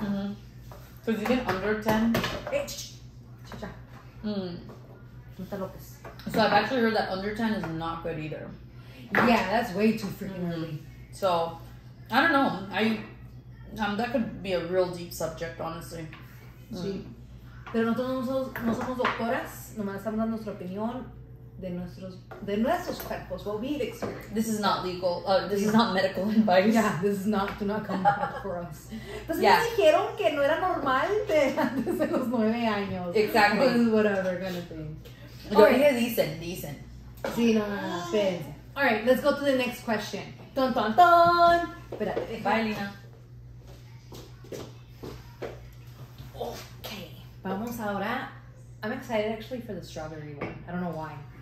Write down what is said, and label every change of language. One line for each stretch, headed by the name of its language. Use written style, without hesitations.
English: Mm-hmm. So is it even under 10? Chicha. Lopez. So I've actually heard that under 10 is not good either. Yeah, that's way too freaking early. So, I don't know. That could be a real deep subject, honestly.
Spanish: Pero nosotros no somos doctoras, nomás estamos dando nuestra opinión. De nuestros cuerpos,
English: what we've experienced. This is not legal. This is not medical advice. Yeah, this is not, do not come back for us.
Spanish: Pues
English: yeah.
Spanish: Me dijeron que no era normal de antes de los 9 años.
English: Exactly. This is whatever kind of thing. Okay. Right. Yeah, decent.
Spanish: Sí, no.
English: All right, let's go to the next question. Ton, ton, ton.
Spanish: Espérate.
English: Bye, Lina. Okay.
Spanish: Vamos ahora.
English: I'm excited, actually, for the strawberry one. I don't know why.